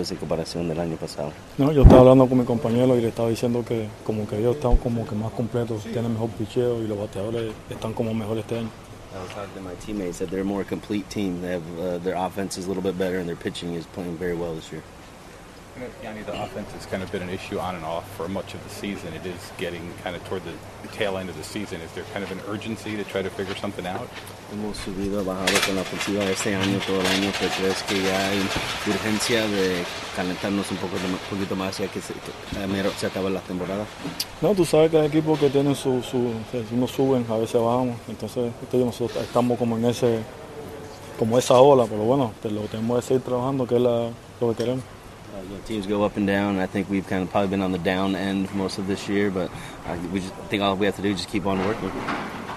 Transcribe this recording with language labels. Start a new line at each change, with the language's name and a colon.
Spanish: No, yo estaba hablando con mi compañero y le estaba diciendo que como que ellos están como que más completos, tienen mejor picheo y los bateadores están como mejor este año.
English: I was talking to my teammates that they're a more complete team. They have their offense is a little bit better and their pitching is playing very well this year. Yandy, the offense has kind of been an issue on and off for much of the season. It is getting kind of toward the tail end of the season. Is there kind of an urgency to try to figure something out?
Spanish: Hemos subido, bajado con la ofensiva este año, todo el año, pero crees que ya hay urgencia de calentarnos un poquito más ya que se acaba la temporada. No, tú sabes que hay equipos que tienen uno suben, a veces bajamos. Entonces, nosotros estamos como en ese, como esa ola, pero bueno, lo tenemos que seguir trabajando, que es lo que queremos.
English: Teams go up and down. I think we've kind of probably been on the down end most of this year, but we just think all we have to do is just keep on working.